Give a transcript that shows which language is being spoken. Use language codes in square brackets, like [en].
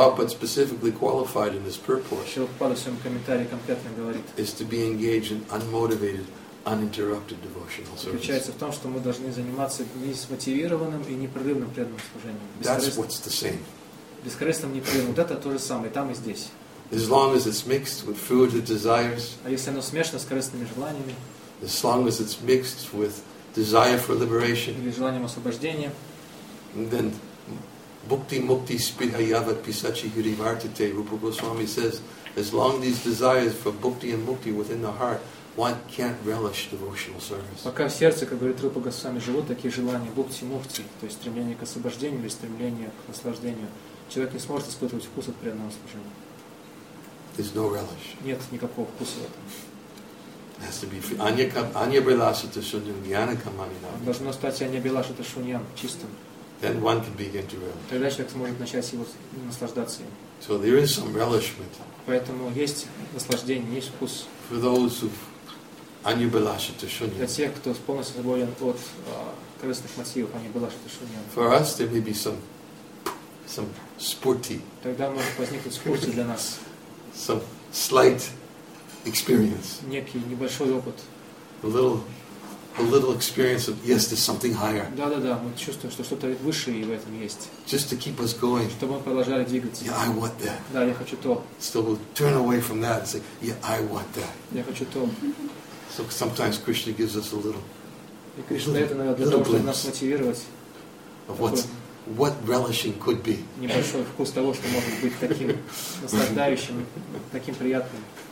[en] Prabhupada specifically qualified in this purport, [ru] Шилпада в своем комментарии конкретно говорит, [en] is to be engaged in unmotivated, uninterrupted devotional service. [ru] Заключается в том, что мы должны заниматься не с мотивированным и непрерывным преданным служением. [en] That's what's the same. [ru] Бескорыстным, непрерывным. Вот это то же самое, там и здесь. [en] As long as it's mixed with food and desires, [ru] а если оно смешано с корыстными желаниями, [en] as long as it's mixed with desire for liberation, [ru] или желанием освобождения, [en] then [sa] bhukti mukti spihayavat pisachi hirivartite, [en] Rupa Goswami says, as long as these desires for bhukti and mukti within the heart, one can't relish devotional service. [ru] Пока в сердце, как говорит Рупа Госвами, живут такие желания бхукти мукти, то есть стремление к освобождению или стремление к наслаждению, человек не сможет испытывать вкус от преданного служения. [en] There's no relish. [ru] Нет никакого вкуса в этом. [en] Has to be [sa] anya bilasita shunyam, jnana kamanina. [ru] Должно стать [sa] anya bilasita shunyam, [ru] чистым. [en] Then one can begin to relish. [ru] Тогда человек сможет начать его наслаждаться им. [en] So there is some relishment. [ru] Поэтому есть наслаждение, есть вкус. [en] For those who [sa] anya bilasita shunyam. [ru] Для тех, кто полностью свободен от корыстных мотивов, [sa] anya bilasita shunyam. [en] For us, there may be some спорти. [ru] Тогда может возникнуть спорти для нас. [en] Some slight experience. [ru] Некий небольшой опыт. [en] A little experience of yes, there's something higher. [ru] Да, да, да. Мы чувствуем, что что-то высшее в этом есть. [en] Just to keep us going. [ru] Чтобы мы продолжали двигаться. [en] Yeah, I want that. [ru] Да, я хочу то. [en] Still, we'll turn away from that and say, yeah, I want that. [ru] Я хочу то. [en] So sometimes Krishna gives us a little. [ru] И Кришна это иногда для того, чтобы нас мотивировать. [en] Of what relishing could be. [ru] Небольшой вкус того, что может быть таким наслаждающим, таким приятным.